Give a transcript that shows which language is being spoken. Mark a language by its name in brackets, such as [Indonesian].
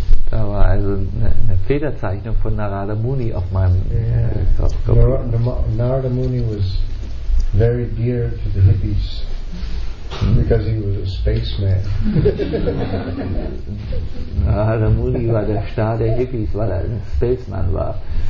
[German] Da war also eine Federzeichnung von Narada Muni auf meinem Kopf. [English] Narada Muni was very dear to the hippies because he was a spaceman. [German] Narada Muni war der Star der Hippies, weil er ein Spaceman war.